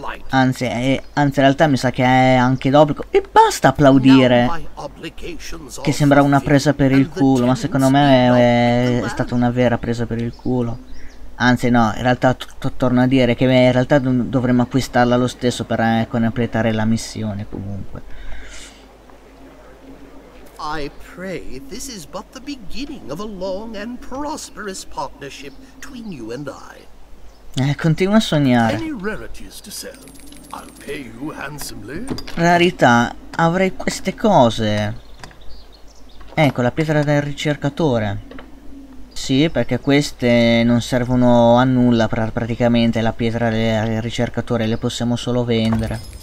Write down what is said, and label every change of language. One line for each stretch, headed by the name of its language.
Italian: Anzi, in realtà mi sa che è anche d'obbligo. E basta applaudire. Che sembra una presa per il culo, ma secondo me è stata una vera presa per il culo. Anzi, no, in realtà torno a dire che in realtà dovremmo acquistarla lo stesso per completare la missione comunque.
English: I pray this is but the beginning of a long and prosperous partnership between you and I.
Italian: Continua a sognare.
English: Any rarities to sell? I'll pay you handsomely.
Italian: Rarità, avrei queste cose. Ecco, la pietra del ricercatore. Sì, perché queste non servono a nulla praticamente. La pietra del ricercatore le possiamo solo vendere.